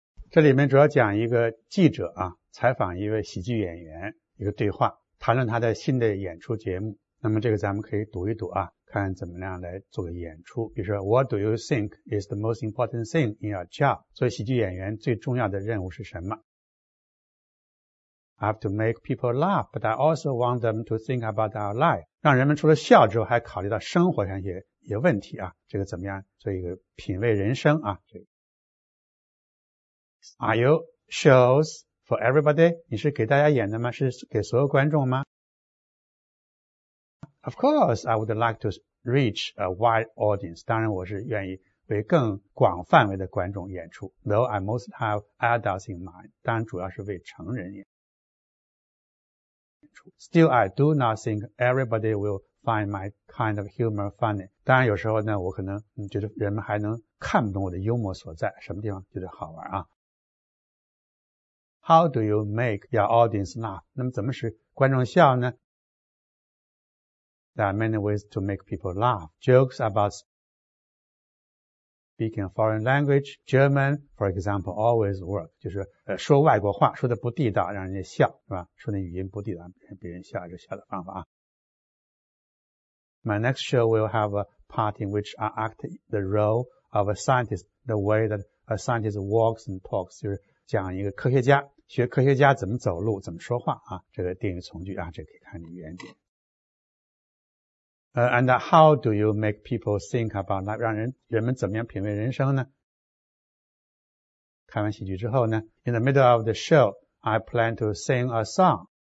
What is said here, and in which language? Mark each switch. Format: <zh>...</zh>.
<zh>这里面主要讲一个记者啊，采访一位喜剧演员，一个对话，谈论他的新的演出节目。那么这个咱们可以读一读啊，看怎么样来做个演出。比如说</zh> <en>What do you think is the most important thing in your job?</en> <zh>作为喜剧演员最重要的任务是什么？</zh> <en>I have to make people laugh, but I also want them to think about our life.</en> <zh>让人们除了笑之后还考虑到生活上一些问题啊，这个怎么样做一个品味人生啊。</zh> <en>Are you shows for everybody?</en> <zh>你是给大家演的吗？是给所有观众吗？</zh> <en>Of course, I would like to reach a wide audience.</en> <zh>当然我是愿意为更广范围的观众演出。</zh> <en>Though I most have adults in mind.</en> <zh>当然主要是为成人演出。</zh> <en>Still, I do not think everybody will find my kind of humor funny.</en> <zh>当然有时候呢，我可能觉得人们还能看不懂我的幽默所在，什么地方觉得好玩啊。</zh> <en>How do you make your audience laugh?</en> <zh>那么怎么使观众笑呢？</zh> <en>There are many ways to make people laugh. Jokes about speaking a foreign language, German, for example, always work.</en> <zh>就是说外国话说的不地道让人家笑，是吧？说那语音不地道别人笑，这笑的方法。</zh> <en>My next show will have a part in which I act the role of a scientist, the way that a scientist walks and talks,</en> <zh>就是讲一个科学家，学科学家怎么走路，怎么说话啊，这个定语从句啊，这个、可以看你语言点。</zh> <en>And how do you make people think about life?</en> <zh>让人们怎么样品味人生呢？看完喜剧之后呢</zh> <en>？In the middle of the show, I plan to sing a song.</en>